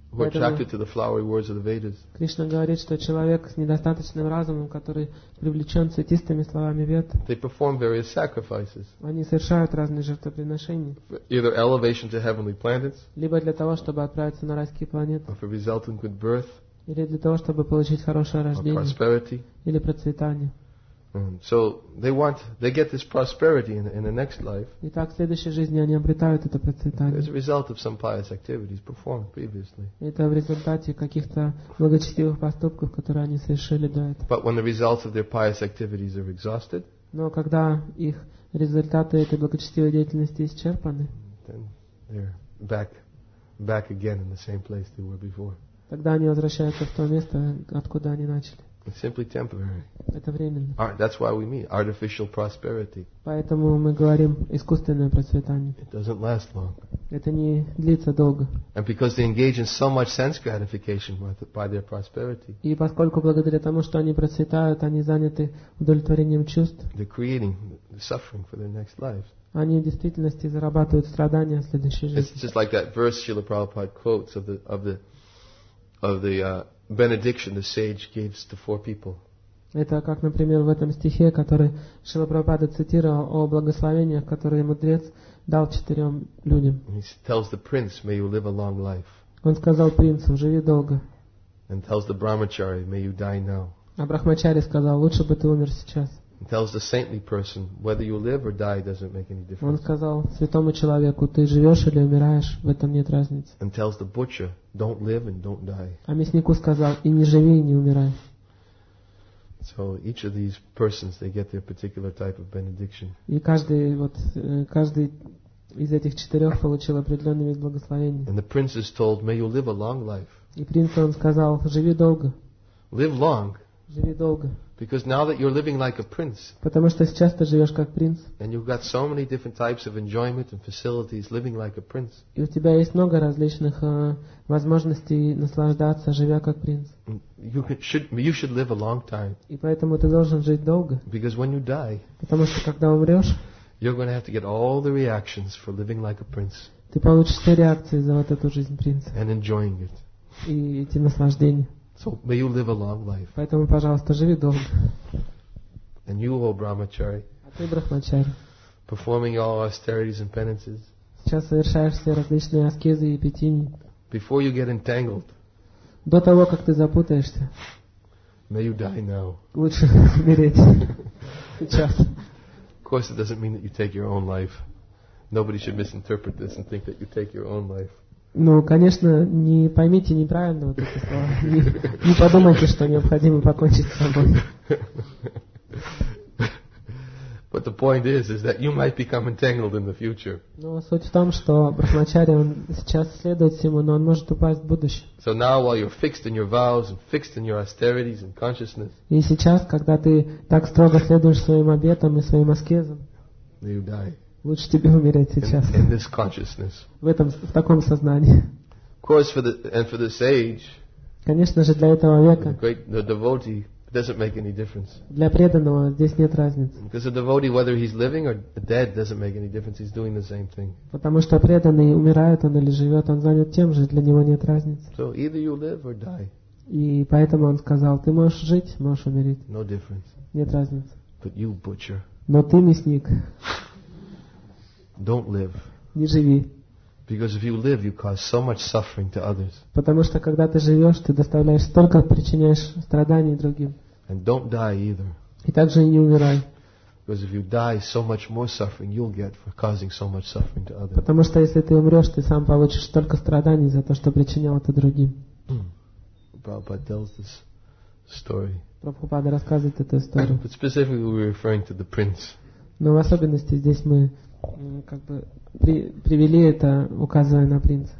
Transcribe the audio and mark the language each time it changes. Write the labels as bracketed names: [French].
[English] Who attracted to the flowery words of the Vedas? [Russian] Кришна говорит, что человек с недостаточным разумом, который привлечен цветистыми словами Вед. [English] They perform various sacrifices. [Russian] Они совершают разные жертвоприношения. [English] Either elevation to heavenly planets. [Russian] Либо для того, чтобы отправиться на райские планеты. [English] Or for resulting good birth. [Russian] Или для того, чтобы получить хорошее рождение. [English] Or prosperity. [Russian] Или процветание. [English] So they get this prosperity in the next life. [Russian] Итак, в следующей жизни они обретают это процветание. [English] As a result of some pious activities performed previously. [Russian] Это в результате каких-то благочестивых поступков, которые они совершили до этого. [English] But when the results of their pious activities are exhausted. [Russian] Но когда их результаты этой благочестивой деятельности исчерпаны. [English] Then they're back again in the same place they were before. [Russian] Тогда они возвращаются в то место, откуда они начали. [English] It's simply temporary. [Russian] Это временно. [English] That's why we mean artificial prosperity. [Russian] Поэтому мы говорим искусственное процветание. [English] It doesn't last long. [Russian] Это не длится долго. [English] And because they engage in so much sense gratification by their prosperity. [Russian] И поскольку благодаря тому, что они процветают, они заняты удовлетворением чувств. [English] They're creating suffering for their next life. [Russian] Они в действительности зарабатывают страдания в следующей жизни. [English] It's just like that verse Srila Prabhupada quotes of the benediction the sage gives to four people. [Russian] Это как, например, в этом стихе, который Шрила Прабхупада цитировал о благословениях, которые мудрец дал четырем людям. [English] He tells the prince, "May you live a long life." [Russian] Он сказал принцу, "Живи долго." [English] And tells the brahmachari, "May you die now." [Russian] А брахмачари сказал, "Лучше бы ты умер сейчас." [English] And tells the saintly person, "Whether you live or die doesn't make any difference." [Russian] Он сказал святому человеку, "Ты живешь или умираешь, в этом нет разницы." [English] And tells the butcher, "Don't live and don't die." [Russian] А мяснику сказал, "И не живи, и не умирай." [English] So each of these persons, they get their particular type of benediction. [Russian] И каждый из этих четырех получил определенный вид благословения. [English] And the prince is told, "May you live a long life." [Russian] И принцу он сказал, "Живи долго." [English] Live long. [Russian] Живи долго. [English] Because now that you're living like a prince. [Russian] Потому что сейчас ты живёшь как принц. [English] And you've got so many different types of enjoyment and facilities living like a prince. [Russian] И у тебя есть много различных возможностей наслаждаться, живя как принц. [English] You should live a long time. [Russian] И поэтому ты должен жить долго. [English] Because when you die. [Russian] Потому что когда умрёшь, [English] you're going to have to get all the reactions for living like a prince. [Russian] Ты получишь все реакции за вот эту жизнь принца. [English] And enjoying it. [Russian] И эти наслаждения. [English] So may you live a long life. [Russian] Поэтому, пожалуйста, живи долго. [English] And you, O Brahmachari, [Russian] а ты, брахмачари, [English] performing all austerities and penances. [Russian] Сейчас совершаешь все различные аскезы и петини. [English] Before you get entangled. [Russian] До того, как ты запутаешься. [English] May you die now. [Russian] Лучше умереть сейчас. [English] Of course, it doesn't mean that you take your own life. Nobody should misinterpret this and think that you take your own life. [Russian] Ну, конечно, не поймите неправильно вот эти слова. Не подумайте, что необходимо покончить с собой. [English] But the point is that you might become entangled in the future. [Russian] Но суть в том, что брахмачари он сейчас следует всему, но он может упасть в будущем. [English] So now while you're fixed in your vows and fixed in your austerities and consciousness. [Russian] И сейчас, когда ты так строго следуешь своим обетам и своим аскезам. [English] You die. [Russian] Лучше тебе умереть сейчас. [English] In this consciousness. [Russian] В таком сознании. [English] Of course, for this age. [Russian] Конечно же, для этого века. [English] The devotee doesn't make any difference. [Russian] Для преданного здесь нет разницы. [English] Because the devotee, whether he's living or dead, doesn't make any difference. He's doing the same thing. [Russian] Потому что преданный умирает он или живет, он занят тем же, для него нет разницы. [English] So either you live or die. [Russian] И поэтому он сказал, ты можешь жить, можешь умереть. [English] No difference. [Russian] Нет разницы. [English] But you butcher. [Russian] Но ты мясник. [English] Don't live. [Russian] Не живи. [English] Because if you live, you cause so much suffering to others. [Russian] Потому что когда ты живешь, ты доставляешь столько, причиняешь страданий другим. [English] And don't die either. [Russian] И также не умирай. [English] Because if you die, so much more suffering you'll get for causing so much suffering to others. [Russian] Потому что если ты умрешь, ты сам получишь столько страданий за то, что причинял это другим. [English] Prabhupada tells this story. [Russian] Прабхупада рассказывает эту историю. [English] But specifically we're referring to the prince. [Russian] Но в особенности здесь мы как бы привели это, указывая на принца.